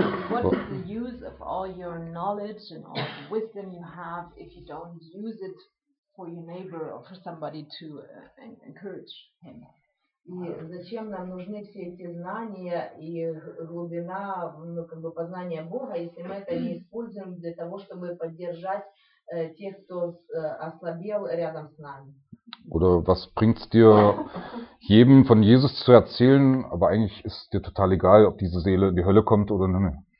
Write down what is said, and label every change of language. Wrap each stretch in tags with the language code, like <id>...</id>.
<en>What is the use of all your knowledge and all the wisdom you have if you don't use it for your neighbor or for somebody to encourage him?</en> <ru>И зачем нам нужны все эти знания и глубина, ну, как бы познания Бога, если мы это не используем для того, чтобы поддержать тех, кто ослабел рядом с нами?</ru> <de>Oder was bringt es dir, jedem von Jesus zu erzählen, aber eigentlich ist dir total egal, ob diese Seele in die Hölle kommt oder in den Himmel?</de>